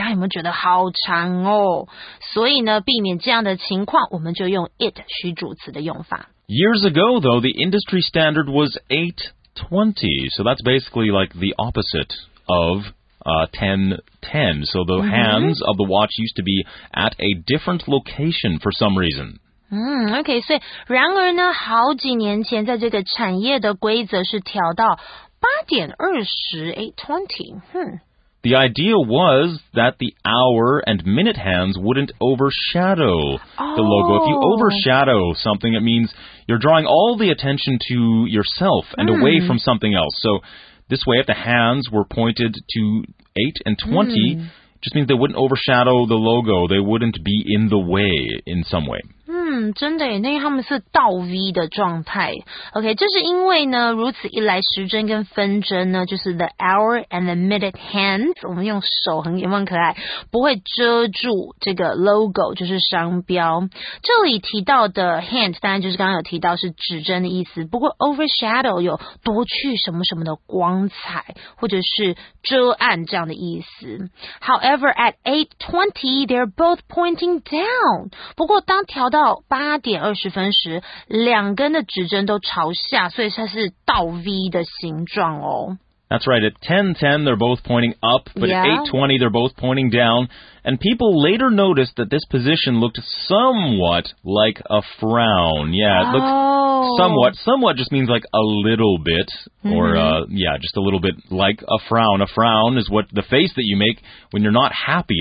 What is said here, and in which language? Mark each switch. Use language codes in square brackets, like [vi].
[zh] 大家有没有觉得好长哦？所以呢，避免这样的情况，我们就用 it 虚主词的用法。 [en] Years ago, though, the industry standard was 8-20, so that's basically like the opposite of 10-10. So the hands of the watch used to be at a different location for some reason. [zh] OK, 所以然而呢好几年前在这个产业的规则是调到8:20, 8:20. [en] The idea was that the hour and minute hands wouldn't overshadow the logo. If you overshadow something, it means you're drawing all the attention to yourself and away from something else. So this way, if the hands were pointed to 8 and 20, just means they wouldn't overshadow the logo. They wouldn't be in the way in some way. Hmm, [zh] 真的耶，那他们是倒 V 的状态。 OK， 这是因为呢，如此一来，时针跟分针呢，就是 [en] the hour and the minute hands， [zh] 我们用手很有没有可爱，不会遮住这个 logo， 就是商标。这里提到的 hand， 当然就是刚刚有提到是指针的意思，不过 overshadow 有夺去什么什么的光彩，或者是遮暗这样的意思。 [en] However, at 8:20, they're both pointing down. [zh] 不过当调到8:20时，两根的指针都朝下，所以它是倒 V 的形状哦。 [en] That's right. At 10:10, they're both pointing up, but yeah. at 8:20, they're both pointing down. And people later noticed that this position looked somewhat like a frown. Yeah, it looked somewhat. Somewhat just means like a little bit, or, just a little bit like a frown. A frown is what the face that you make when you're not happy.